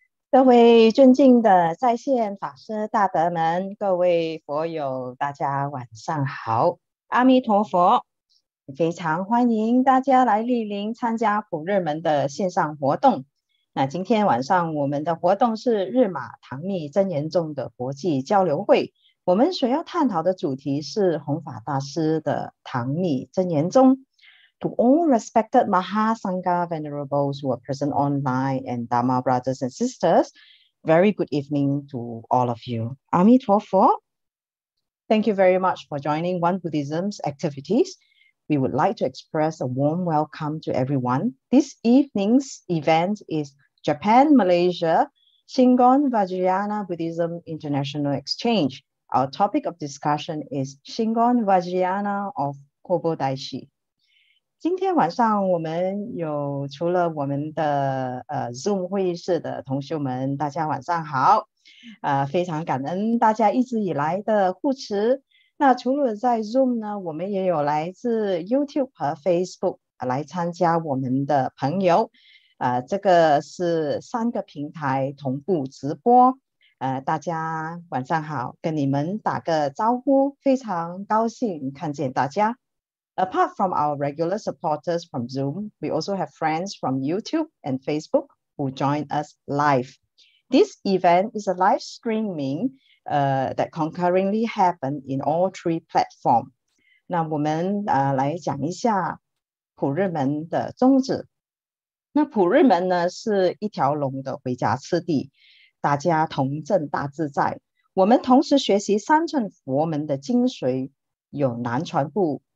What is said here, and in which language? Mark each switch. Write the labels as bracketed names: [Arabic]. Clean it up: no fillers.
[Chinese] 各位尊敬的在线法师大德们，各位佛友，大家晚上好，阿弥陀佛，非常欢迎大家来莅临参加普热门的线上活动。那今天晚上我们的活动是日玛堂密真言宗的国际交流会，我们所要探讨的主题是弘法大师的堂密真言宗。 [English] To all respected Mahasangha venerables who are present online and Dharma brothers and sisters, very good evening to all of you. Amitabha. Thank you very much for joining One Buddhism's activities. We would like to express a warm welcome to everyone. This evening's event is Japan Malaysia Shingon Vajrayana Buddhism International Exchange. Our topic of discussion is Shingon Vajrayana of Kobodaishi. [Chinese] 今天晚上，我们有除了我们的Zoom 会议室的同学们，大家晚上好，非常感恩大家一直以来的护持。那除了在 Zoom 呢，我们也有来自 YouTube 和 Facebook 来参加我们的朋友，这个是三个平台同步直播，大家晚上好，跟你们打个招呼，非常高兴看见大家。 [English] Apart from our regular supporters from Zoom, we also have friends from YouTube and Facebook who join us live. This event is a live streaming that concurrently happened in all three platforms. [Chinese] 那我们来讲一下普热门的宗旨。那普热门呢是一条龙的回家次第，大家同证大自在。我们同时学习三乘佛门的精髓，有南传部。